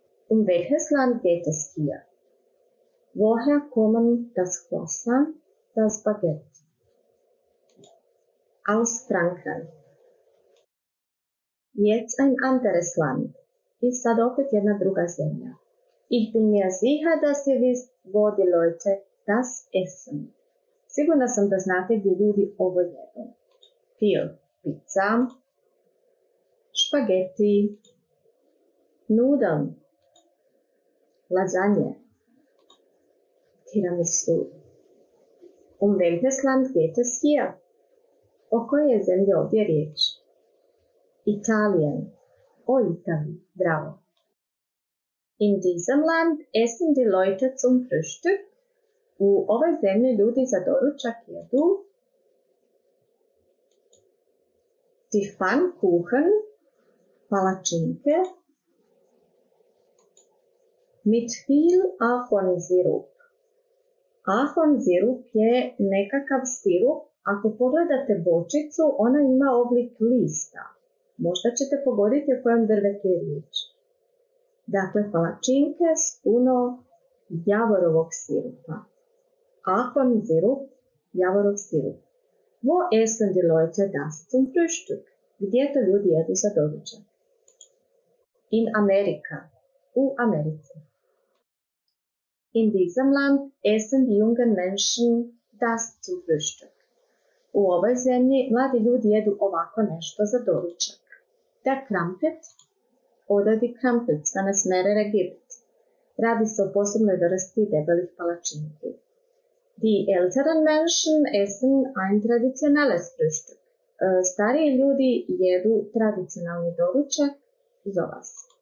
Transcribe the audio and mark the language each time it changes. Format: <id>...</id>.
<de>Um welches Land geht es hier? Woher kommen das Croissant, das Baguette? Aus Frankreich. Jetzt ein anderes Land.</de> <hr>I sad opet jedna druga zemlja.</hr> <de>Ich bin mir sicher, dass ihr wisst, wo die Leute das essen.</de> <hr>Sigurna sam da znate gdje ljudi ovo jedu. Pil, pizza, špageti, nudel, lasagne, tiramisu.</hr> <de>Um welches Land geht es hier?</de> <hr>O kojoj je zemlji ovdje riječ? Italien. O Italiji, bravo.</hr> <de>In diesem Land essen die Leute zum Frühstück.</de> <hr>U ovoj zemlji ljudi za doručak jedu.</hr> <de>Die Pfannkuchen, palačinke, mit viel Ahornsirup.</de> <hr>Ahornsirup je nekakav sirup. Ako pogledate bočicu, ona ima oblik lista. Možda ćete pogoditi o kojem drvetu je riječ. Dakle, palačinke s puno javorovog sirupa. Ahorn sirup, javorov sirup.</hr> <de>Wo essen die Leute das zum Frühstück?</de> <hr>Gdje to ljudi jedu za doručak?</hr> <de>In Amerika.</de> <hr>U Americi.</hr> <de>In diesem Land essen die jungen Menschen das zum Frühstück.</de> <hr>U ovoj zemlji mladi ljudi jedu ovako nešto za doručak.</hr> <de>Der Krampet oder die Krampets, wenn es mehrere gibt.</de> <hr>Radi se o posebnoj vrsti debelih palačinki.</hr> <de>Die älteren Menschen essen ein traditionelles Frühstück.</de> <hr>Stariji ljudi jedu tradicionalni doručak za vas.</hr>